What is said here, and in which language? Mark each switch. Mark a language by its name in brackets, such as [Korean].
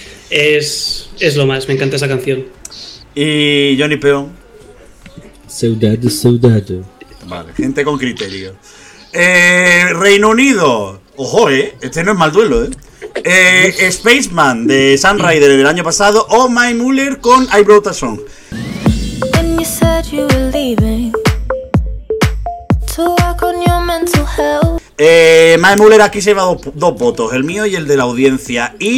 [Spanish] Es lo más, me encanta esa canción. Y Johnny Peón. Saudade, saudade. Vale, gente con criterio. Reino Unido. Ojo, este no es mal duelo, Spaceman de Sam Ryder del año pasado. O My Muller con I Brought a Song. [English] When you said you were leaving to work on your mental health. [Spanish] Mae Muller aquí se lleva dos votos, el mío y el de la audiencia.